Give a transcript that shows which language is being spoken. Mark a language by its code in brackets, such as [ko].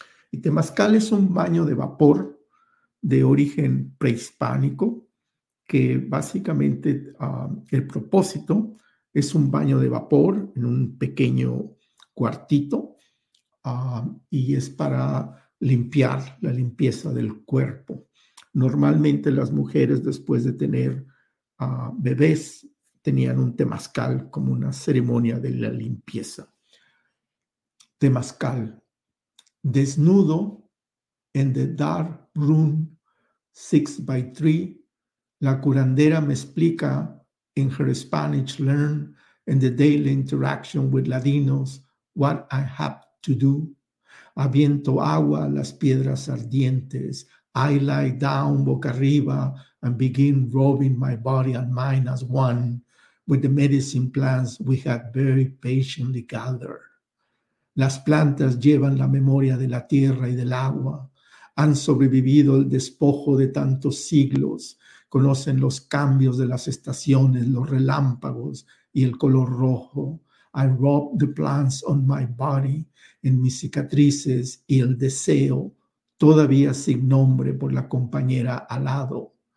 [es] Y Temazcal es un baño de vapor de origen prehispánico, que básicamente el propósito es un baño de vapor en un pequeño cuartito, y es para limpiar, la limpieza del cuerpo. Normalmente las mujeres, después de tener bebés, tenían un temazcal como una ceremonia de la limpieza. Temazcal. Desnudo, [en] in the dark room, 6x3, [es] la curandera me explica, [en] in her Spanish learn, in the daily interaction with Latinos, what I have to do. [es] Aviento agua a las piedras ardientes. [en] I lie down [es] boca arriba [en] and begin rubbing my body and mind as one with the medicine plants we had very patiently gathered. [es] Las plantas llevan la memoria de la tierra y del agua. Han sobrevivido el despojo de tantos siglos. Conocen los cambios de las estaciones, los relámpagos y el color rojo. [en] I rub the plants on my body, [es] en mis cicatrices y el deseo, todavía sin nombre por la compañera al lado.